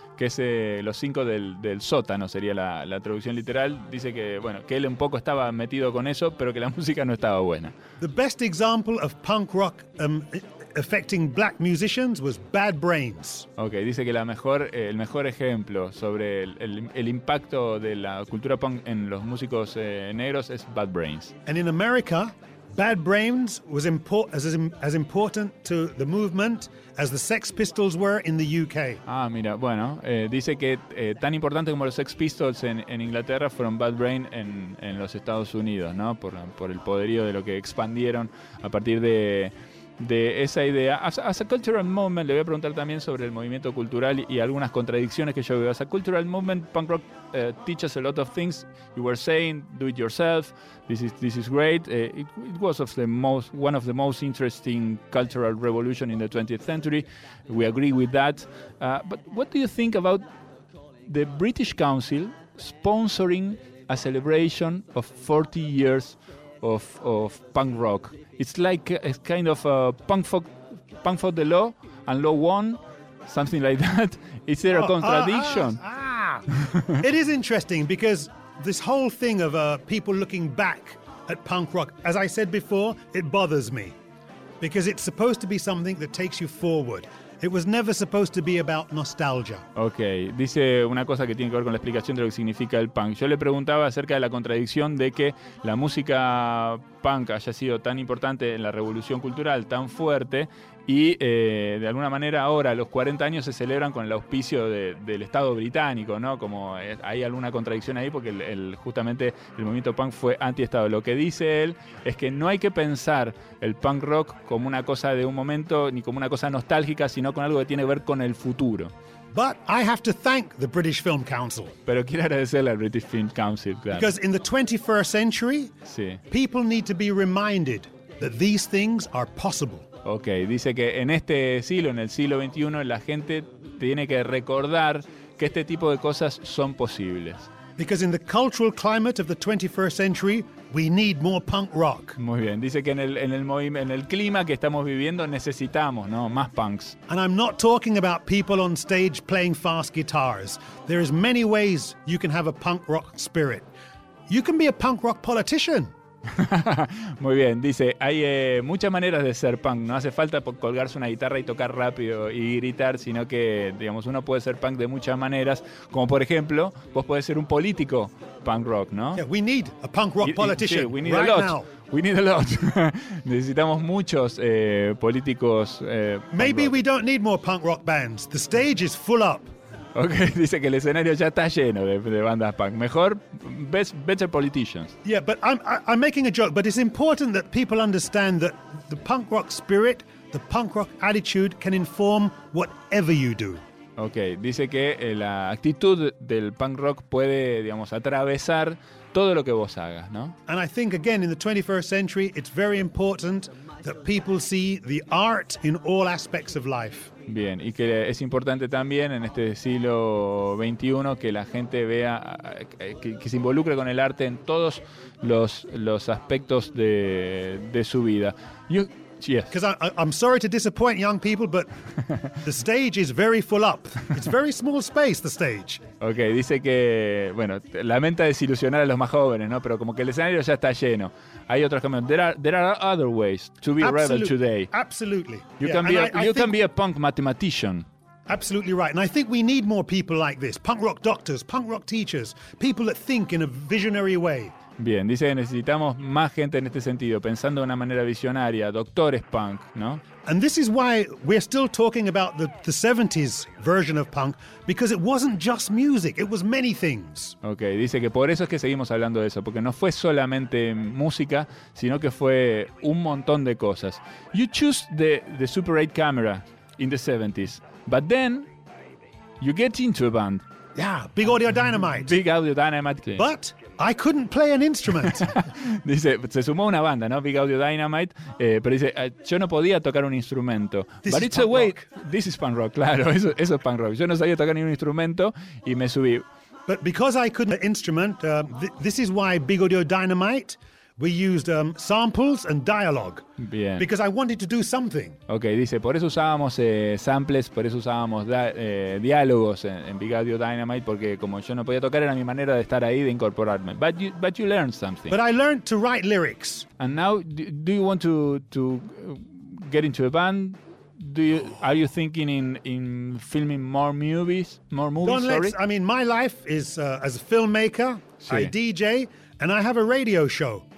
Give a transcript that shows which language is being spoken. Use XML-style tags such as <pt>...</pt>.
<es>que es Los Cinco del Sótano, sería la traducción literal. Dice que, bueno, que él un poco estaba metido con eso, pero que la música no estaba buena.</es> <en>The best example of punk rock affecting black musicians was Bad Brains.</en> <es>Okay, dice que el mejor ejemplo sobre el impacto de la cultura punk en los músicos negros es Bad Brains.</es> <en>And in America, Bad Brains was as important to the movement as the Sex Pistols were in the UK.</en> <es>Ah, mira, bueno, dice que tan importante como los Sex Pistols en Inglaterra fueron Bad Brain en los Estados Unidos, ¿no? Por el poderío de lo que expandieron a partir de esa idea.</es> <en>As a cultural movement,</en> <es>le voy a preguntar también sobre el movimiento cultural y algunas contradicciones que yo veo.</es> <en>As a cultural movement, punk rock teaches a lot of things. You were saying, do it yourself. This is great. It was one of the most interesting cultural revolution in the 20th century. We agree with that. But what do you think about the British Council sponsoring a celebration of 40 years of punk rock? It's like a kind of a punk for the law and law won, something like that. Is there a contradiction? It is interesting because this whole thing of people looking back at punk rock, as I said before, it bothers me because it's supposed to be something that takes you forward. It was never supposed to be about nostalgia.</en> <es>Okay, dice una cosa que tiene que ver con la explicación de lo que significa el punk. Yo le preguntaba acerca de la contradicción de que la música punk haya sido tan importante en la revolución cultural, tan fuerte, y de alguna manera ahora los 40 años se celebran con el auspicio del Estado británico, ¿no? Como hay alguna contradicción ahí porque justamente el movimiento punk fue anti-Estado. Lo que dice él es que no hay que pensar el punk rock como una cosa de un momento ni como una cosa nostálgica, sino con algo que tiene que ver con el futuro.</es> <en>But I have to thank the British Film Council.</en> <es>Pero quiero agradecerle al British Film Council, claro.</es> <en>Because in the 21st century,</en> <es>sí,</es> <en>people need to be reminded that these things are possible.</en> <es>Okay, dice que en este siglo, en el siglo 21, la gente tiene que recordar que este tipo de cosas son posibles.</es> <en>Because in the cultural climate of the 21st century, we need more punk rock.</en> <es>Muy bien, dice que en el clima que estamos viviendo necesitamos, ¿no?, más punks.</es> <en>And I'm not talking about people on stage playing fast guitars. There is many ways you can have a punk rock spirit. You can be a punk rock politician.</en> <es>Muy bien, dice, hay muchas maneras de ser punk. No hace falta colgarse una guitarra y tocar rápido y gritar, sino que, digamos, uno puede ser punk de muchas maneras. Como por ejemplo, vos podés ser un político punk rock, ¿no?</es> <en>Yeah, we need a punk rock politician.</en> <es>Sí,</es> <en>we need right a lot. Now. We need a lot.</en> <es>Necesitamos muchos políticos.</es> <en>Maybe rock. We don't need more punk rock bands. The stage is full up.</en> <es>Okay, dice que el escenario ya está lleno de bandas punk. Mejor,</es> <en>better politicians. Yeah, but I'm making a joke, but it's important that people understand that the punk rock spirit, the punk rock attitude can inform whatever you do.</en> <es>Okay, dice que la actitud del punk rock puede, digamos, atravesar todo lo que vos hagas, ¿no?</es> <en>And I think, again, in the 21st century, it's very important that people see the art in all aspects of life.</en> <es>Bien, y que es importante también en este siglo XXI que la gente vea, que se involucre con el arte en todos los aspectos de su vida.</es> <en>You, yes. Because I'm sorry to disappoint young people, but the stage is very full up. It's very small space, the stage.</en> <es>Okay, dice que, bueno, lamenta desilusionar a los más jóvenes, ¿no? Pero como que el escenario ya está lleno. Hay otros caminos.</es> <en>There are other ways to be a rebel today. Absolutely. You can be a punk mathematician. Absolutely right. And I think we need more people like this. Punk rock doctors, punk rock teachers, people that think in a visionary way.</en> <es>Bien, dice que necesitamos más gente en este sentido, pensando de una manera visionaria, doctores punk, ¿no?</es> <en>And this is why we're still talking about the 70s version of punk, because it wasn't just music, it was many things.</en> <es>Okay, dice que por eso es que seguimos hablando de eso, porque no fue solamente música, sino que fue un montón de cosas.</es> <en>You choose the Super 8 camera in the 70s, but then you get into a band. Yeah, Big Audio Dynamite. Big Audio Dynamite. But I couldn't play an instrument.</en> <es>Dice, se sumó una banda, ¿no? Big Audio Dynamite. Pero dice, yo no podía tocar un instrumento.</es> <en>This but is it's punk a way. Rock. This is punk rock,</en> <es>claro. Eso es punk rock. Yo no sabía tocar ningún instrumento y me subí.</es> <en>But because I couldn't play an instrument, this is why Big Audio Dynamite We used samples and dialogue.</en> <es>Bien.</es> <en>Because I wanted to do something.</en> <es>Okay, dice, por eso usábamos samples, por eso usábamos diálogos en Big Audio Dynamite, porque como yo no podía tocar, era mi manera de estar ahí, de incorporarme.</es> <en>But you learned something. But I learned to write lyrics. And now, do you want to get into a band? Are you thinking in filming more movies? More movies, sorry? I mean, my life is as a filmmaker,</en> <es>sí.</es> <en>I DJ, and I have a radio show.</en>